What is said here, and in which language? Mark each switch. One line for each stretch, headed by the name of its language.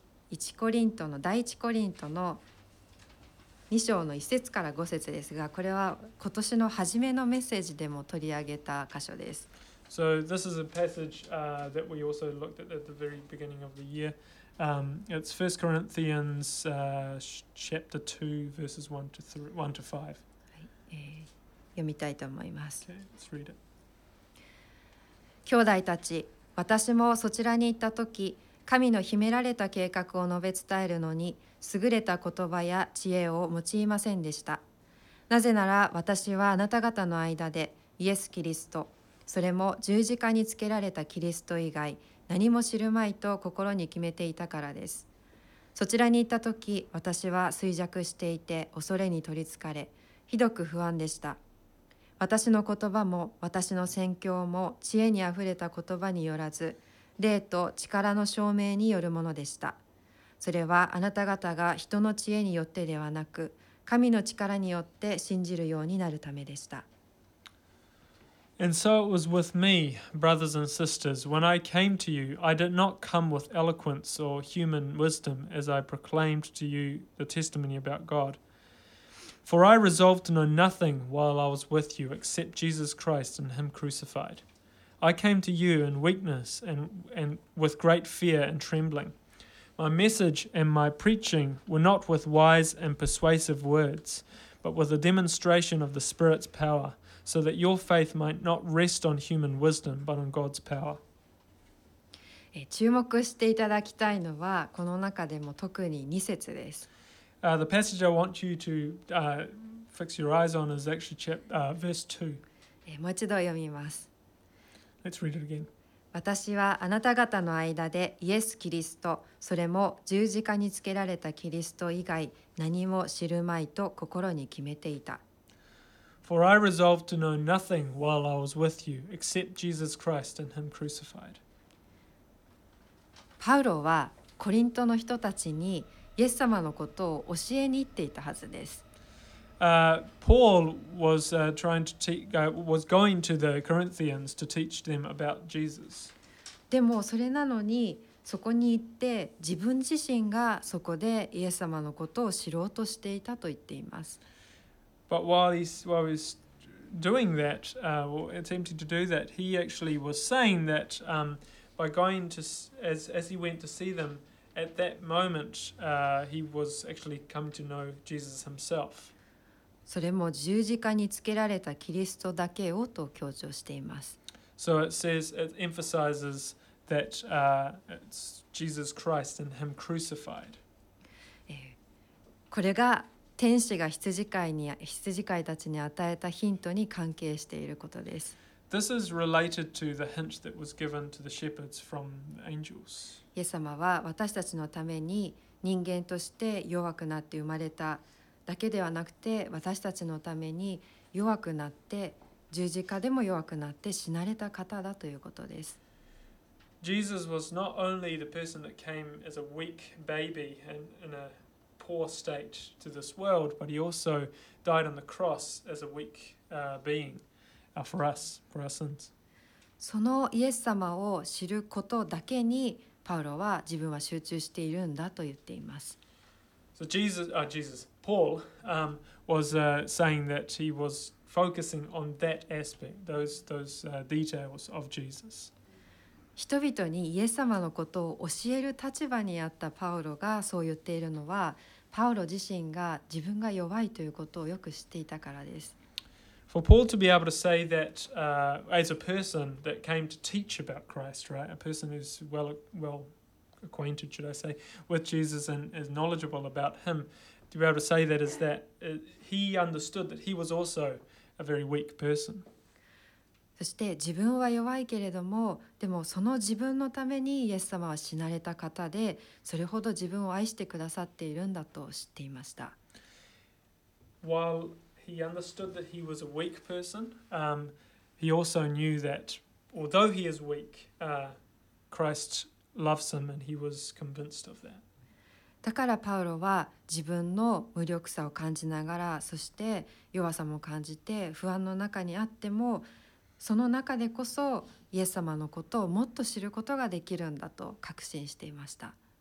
Japanese: 第1コリントの2章の1節から5節ですが、これは今年の初めのメッセージでも取り上げた箇所です。
English: So this is a passage that we also looked at the very beginning of the year. It's 1 Corinthians chapter 2 verses 1 to 5.
Japanese: 読みたいと思います。
English: Okay, let's read it.
Japanese: 兄弟たち、私もそちらに行った時、神の秘められた計画を述べ伝えるのに、優れた言葉や知恵を用いませんでした。なぜなら私はあなた方の間でイエス・キリスト、それも十字架につけられたキリスト以外何も知るまいと心に決めていたからです。そちらに行った時、私は衰弱していて恐れに取りつかれ、ひどく不安でした。私の言葉も私の宣教も知恵にあふれた言葉によらず、霊と力の証明によるものでした。それはあなた方が人の知恵によってではなく、神の力によって信じるようになるためでした。
English: And so it was with me, brothers and sisters. When I came to you, I did not come with eloquence or human wisdom as I proclaimed to you the testimony about God. For I resolved to know nothing while I was with you except Jesus Christ and Him crucified. I came to you in weakness and with great fear and trembling. My message and my preaching were not with wise and persuasive words, but with a demonstration of the Spirit's power, so that your faith might not rest on human wisdom, but on God's power.
Japanese: 注目していただきたいのは、この中でも特に2節です。
English: The passage I want you to fix your eyes on is actually verse 2.
Japanese: もう一度読みます。
English: Let's read it again.
Japanese: 私はあなた方の間でイエス・キリスト、それも十字架につけられたキリスト以外何も知るまいと心に決めていた。
English: For I resolved to know nothing while I was with you except Jesus Christ and Him crucified.
Japanese: パウロはコリントの人たちにイエス様のことを教えに行っていたはずです。
English: Paul was trying to teach, was going to the Corinthians to teach them about Jesus.
Japanese: でもそれなのに、そこに行って自分自身がそこでイエス様のことを知ろうとしていたと言っています。
English: But while he was doing that, attempting to do that, he actually was saying that by going to, as he went to see them, at that moment, he was actually coming to know Jesus himself.
Japanese: それも十字架につけられたキリストだけをと強調しています。
English: So it says, it emphasizes that it's Jesus Christ and Him crucified.
Japanese: これが天使が羊飼いたちに与えたヒントに関係していることです。
English: This is related to the hint that was given to the shepherds from the angels.
Japanese: イエス様は私たちのために人間として弱くなって生まれただけではなくて私たちのために弱くなって十字架でも弱くなって死なれた方だということです。
English: Jesus was not only the person that came as a weak baby and in a poor state to this world, but he also died on the cross as a weak being for us, for our sins.
Japanese: そのイエス様を知ることだけにパウロは自分は集中しているんだと言っています。
English: So Paul was saying that he was focusing on that aspect, those details of Jesus.
Japanese: 人々にイエス様のことを教える立場にあったパウロがそう言っているのは、パウロ自身が自分が弱いということをよく知っていたからです。
English: For Paul to be able to say that as a person that came to teach about Christ, right, a person who's well acquainted, should I say, with Jesus and is knowledgeable about him, to be able to say that is that he understood that he was also a very weak person.
Japanese: そして自分は弱いけれども、でもその自分のためにイエス様は死なれた方で、それほど自分を愛してくださっているんだと知っていました。
English: While he understood that he was a weak person, he also knew that although he is weak, Christ loves him and he was convinced of that.
Japanese: だからパウロは自分の無力さを感じながら、そして弱さも感じて不安の中にあっても、その中でこそイエス様のことをもっと知ることができるんだと確信していました。